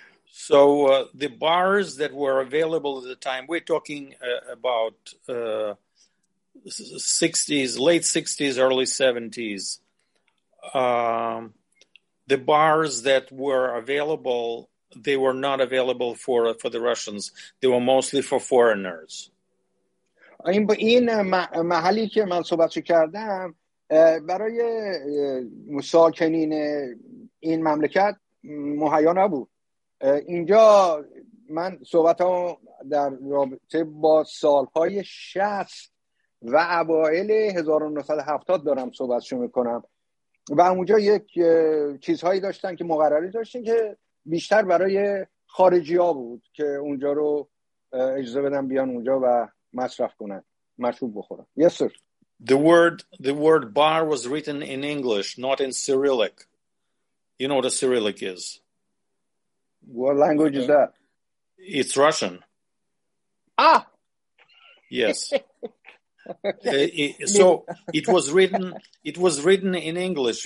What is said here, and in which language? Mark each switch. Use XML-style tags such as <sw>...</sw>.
<en>So the bars that were available at the time, we're talking about 60s, late 60s, early 70s. The bars that were available, they were not available for the Russians. They were mostly for foreigners.</en> <fa>این این محلی که من صحبت کردم برای ساکنین این مملکت مهیا نبود. اینجا من صحبتام در رابطه با سالهای 60 و اوائل 1970 دارم صحبت شو میکنم و اونجا یک چیزهایی داشتن که مقرری داشتن که بیشتر برای خارجی ها بود که اونجا رو اجازه بدن بیان اونجا و مصرف کنن مشروب بخورن.</fa> <en>Yes sir. The word bar was written in English, not in Cyrillic. You know what a Cyrillic is? What language is that? It's Russian. Ah! Yes. So it was written in English.</en>